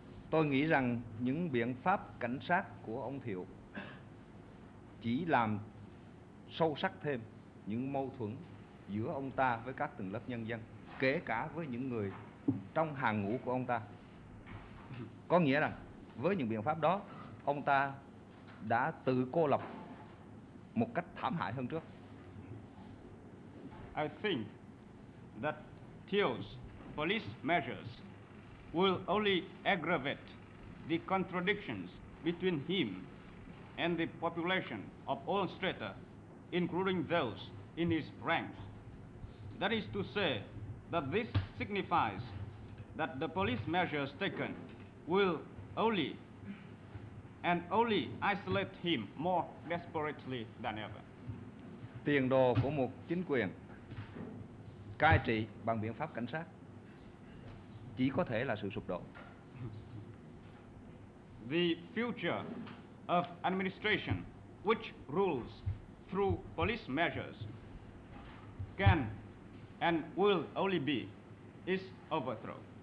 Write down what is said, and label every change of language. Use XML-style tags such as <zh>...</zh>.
<vi>Tôi nghĩ rằng những biện pháp cảnh sát của ông Thiệu chỉ làm sâu sắc thêm những mâu thuẫn giữa ông ta với các tầng lớp nhân dân, kể cả với những người trong hàng ngũ của ông ta. Có nghĩa là với những biện pháp đó, ông ta đã tự cô lập một cách thảm hại hơn trước.</vi> <en>I think that Thieu's police measures will only aggravate the contradictions between him and the population of all strata, including those in his ranks. That is to say that this signifies that the police measures taken will only and only isolate him more desperately than ever.</en> <vi>Tiền đồ của một chính quyền cai trị bằng biện pháp cảnh sát chỉ có thể là sự sụp đổ.</vi> <en>The future of administration which rules through police measures can and will only be its overthrow.</en>